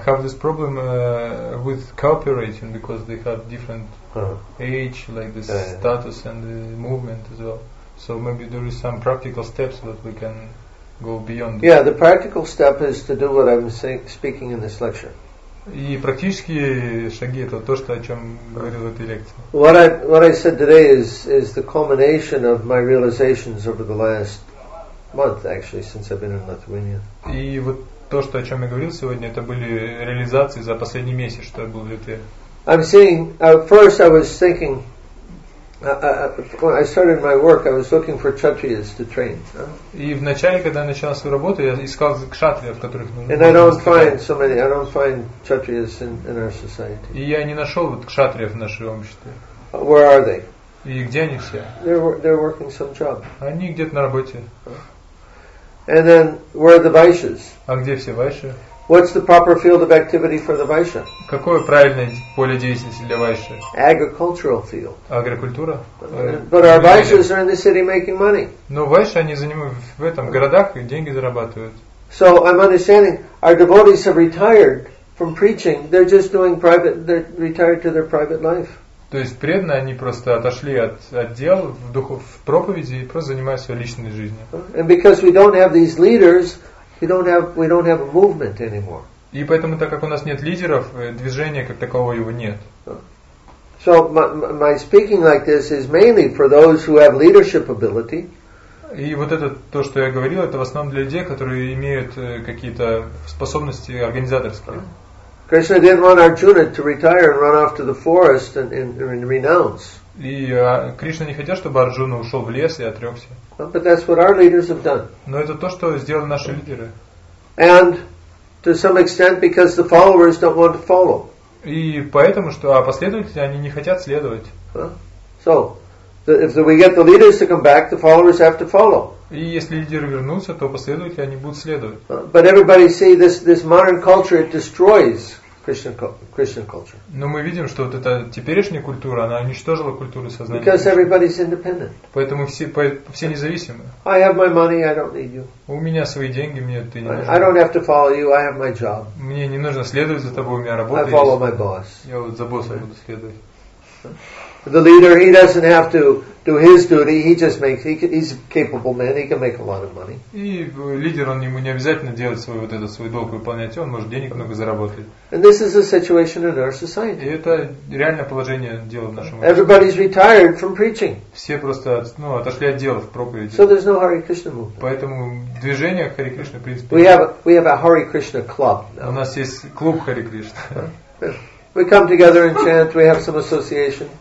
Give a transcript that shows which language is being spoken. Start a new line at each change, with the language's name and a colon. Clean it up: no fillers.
English: have this problem with cooperating because they have different age, like the status and the movement as well. So maybe there is some practical steps that we can go beyond. Yeah, the practical step is to do what I'm speaking in this lecture.
Russian: И практические шаги это то, что о чем говорил в этой лекции.
English: What I said today is the culmination of my realizations over the last month, actually, since I've been in Lithuania.
Russian: И вот то, что о чем я говорил сегодня, это были реализации за последний месяц, что я был в Литве.
English: I'm seeing. First, I was thinking. When I started my work, I was looking for kshatriyas to train.
Russian: И в начале, когда я начал свою работу, я искал кшатриев, которых нужно.
English: And I don't find so many. I don't find kshatriyas in our society.
Russian: И я не нашел вот кшатриев в нашем обществе.
English: Where are they?
Russian: И где они все?
English: They're working some job.
Russian: Они где-то на работе.
English: And then where are the vaishyas?
Russian: А где все вайши?
English: What's the proper field of activity for the vaishya?
Russian: Какое правильное поле деятельности для вайши?
English: Agricultural field.
Russian: Агрокультура.
English: But our vaishyas are in the city making money.
Russian: Но вайши они занимаются в этом городах и деньги зарабатывают.
English: So I'm understanding our devotees have retired from preaching. They're just doing private. They're retired to their private life.
Russian: То есть преданные они просто отошли от дел в духов в проповеди и просто занимаются своей личной жизнью.
English: And because we don't have these leaders. We don't have a movement anymore.
Russian: И поэтому, так как у нас нет лидеров, движения как такового его нет.
English: So my speaking like this is mainly for those who have leadership ability.
Russian: И вот это то, что я говорил, это в основном для людей, которые имеют какие-то способности организаторские.
English: Krishna didn't want Arjuna to retire and run off to the forest and renounce.
Russian: И Кришна не хотел, чтобы Арджуна ушел в лес и отрекся.
English: But that's what our leaders have done.
Russian: Но это то, что сделали наши лидеры.
English: And to some extent, because the followers don't want to follow.
Russian: И поэтому, что последователи они не хотят следовать.
English: So, if we get the leaders to come back, the followers have to follow.
Russian: И если лидеры вернутся, то последователи они будут следовать.
English: But everybody see this modern culture it destroys. Christian culture.
Russian: Но мы видим, что вот эта теперешняя культура, она уничтожила культуру сознания.
English: Because everybody's independent.
Russian: Поэтому все независимы.
English: I have my money, I don't need you.
Russian: У меня свои деньги, мне ты не нужен.
English: I don't have to follow you, I have my job.
Russian: Мне не нужно следовать за тобой, у меня работа есть.
English: I follow my boss.
Russian: Я вот за боссом буду следовать.
English: The leader, he doesn't have to do his duty. He just makes. He's a capable man. He can make a lot of money.
Russian: И лидер он ему не обязательно делать свой вот этот свой долг выполнять. Он может денег много заработать.
English: And this is the situation in our society.
Russian: И это реальное положение дел в нашем.
English: Everybody's retired from preaching.
Russian: Все просто ну отошли от дел в проповеди.
English: So there's no Hare Krishna movement.
Russian: Поэтому движение Hare Krishna в принципе.
English: We have a Hare Krishna club.
Russian: У нас есть клуб Hare Krishna.
English: We come together and chant. We have some association.